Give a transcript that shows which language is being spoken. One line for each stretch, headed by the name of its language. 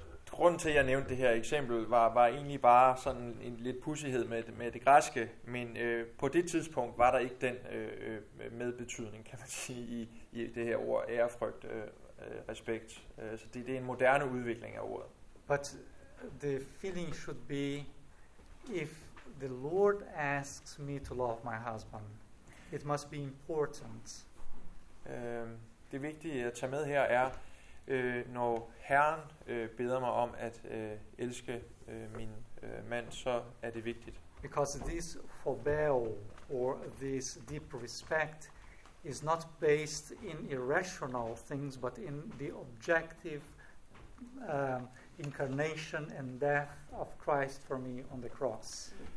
Danish: Grunden til, at jeg nævnte det her eksempel, var egentlig bare sådan en lidt pudsighed med det græske, men på det tidspunkt var der ikke den medbetydning, kan man sige, i det her ord ærefrygt, respekt. Så det er en moderne udvikling af ordet.
English: But the feeling should be, if the Lord asks me to love my husband, it must be important.
Danish: Det vigtige at tage med her er, når Herren beder mig om at elske min mand, så er det vigtigt.
English: Because this phobia or this deep respect is not based in irrational things, but in the objective incarnation and death of Christ for me on the cross.